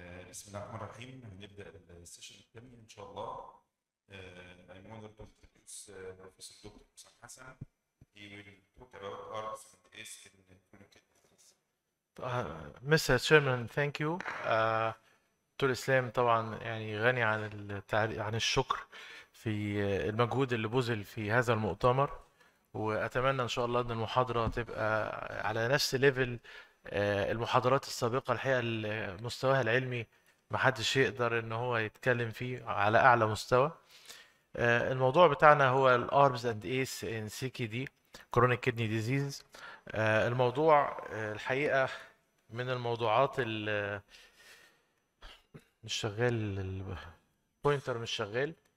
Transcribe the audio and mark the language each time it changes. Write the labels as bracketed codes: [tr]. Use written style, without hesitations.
[ar] بسم الله الرحمن الرحيم، هنبدأ السيشن الثاني إن شاء الله. [en] I'm going to introduce Professor Dr. [ar] حسام حسن. [en] He will talk about arts and taste in communications. Mr. Chairman, thank you. [ar] دكتور إسلام طبعا يعني غني عن عن الشكر في المجهود اللي بذل في هذا المؤتمر، وأتمنى إن شاء الله إن المحاضرة تبقى على نفس ليفل المحاضرات السابقة. الحقيقة مستواها العلمي محدش يقدر إن هو يتكلم فيه على أعلى مستوى. الموضوع بتاعنا هو الـ [en] ARBS and ACE in CKD Chronic Kidney Disease. [ar] الموضوع الحقيقة من الموضوعات مش شغال البوينتر، مش شغال.